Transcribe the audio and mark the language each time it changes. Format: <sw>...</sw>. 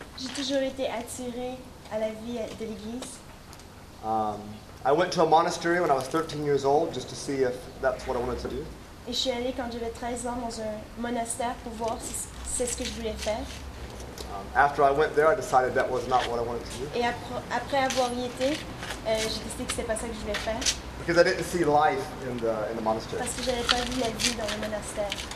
<fr>J'ai toujours été attirée à la vie de l'église.</fr> <en>I went to a monastery when I was 13 years old just to see if that's what I wanted to do.</en> <fr>Et je suis allée quand j'avais 13 ans dans un monastère pour voir si c'est ce que je voulais faire.</fr> <en>After I went there, I decided that was not what I wanted to do.</en> <fr>Et après avoir y été, j'ai décidé que c'était pas ça que je voulais faire.</fr> <en>Because I didn't see life in the monastery.</en> <fr>Parce que j'avais pas vu la vie dans le monastère.</fr>